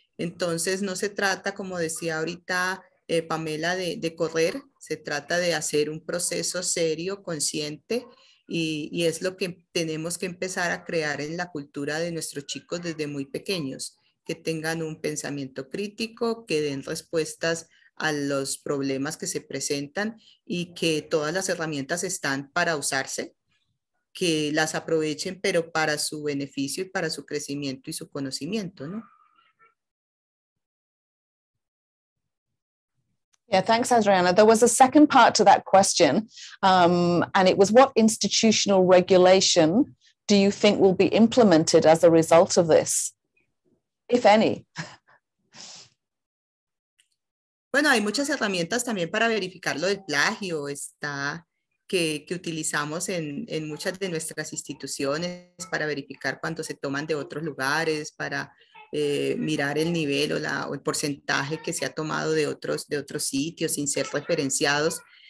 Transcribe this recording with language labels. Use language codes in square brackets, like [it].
[es] Entonces, no se trata, como decía ahorita Pamela, de correr, se trata de hacer un proceso serio, consciente, y es lo que tenemos que empezar a crear en la cultura de nuestros chicos desde muy pequeños, que tengan un pensamiento crítico, que den respuestas a los problemas que se presentan y que todas las herramientas están para usarse, que las aprovechen, pero para su beneficio y para su crecimiento y su conocimiento, ¿no? [en] Yeah, thanks, Adriana. There was a second part to that question, and it was, what institutional regulation do you think will be implemented as a result of this? If any. [es] Bueno, hay muchas herramientas también para verificar lo del plagio, está que utilizamos en muchas de nuestras instituciones para verificar cuando se toman de otros lugares, para mirar el nivel o el porcentaje que se ha tomado de otros sitios sin ser referenciados.